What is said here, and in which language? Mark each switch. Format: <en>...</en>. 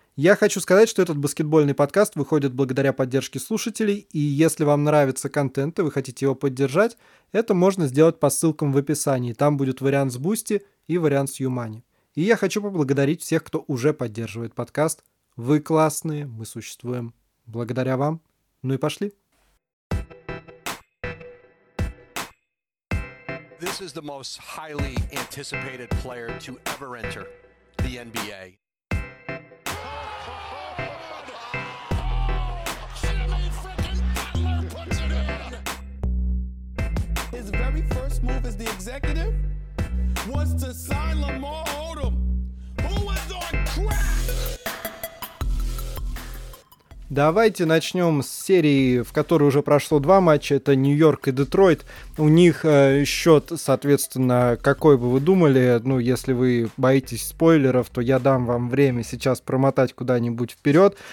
<ru>Я хочу сказать, что этот баскетбольный подкаст выходит благодаря поддержке слушателей, и если вам нравится контент и вы хотите его поддержать, это можно сделать по ссылкам в описании. Там будет вариант с Boosty и вариант с Юмани. И я хочу поблагодарить всех, кто уже поддерживает подкаст. Вы классные, мы существуем благодаря вам. Ну и пошли.</ru> <en>This is the most highly anticipated player to ever enter the NBA. Move as the executive was to sign Lamar Odom, who was on crack.</en> <ru>Давайте начнем с серии, в которой уже прошло два матча. Это Нью-Йорк и Детройт. У них счет, соответственно, какой бы вы думали. Ну, если вы боитесь спойлеров, то я дам вам время сейчас промотать куда-нибудь вперед.</ru>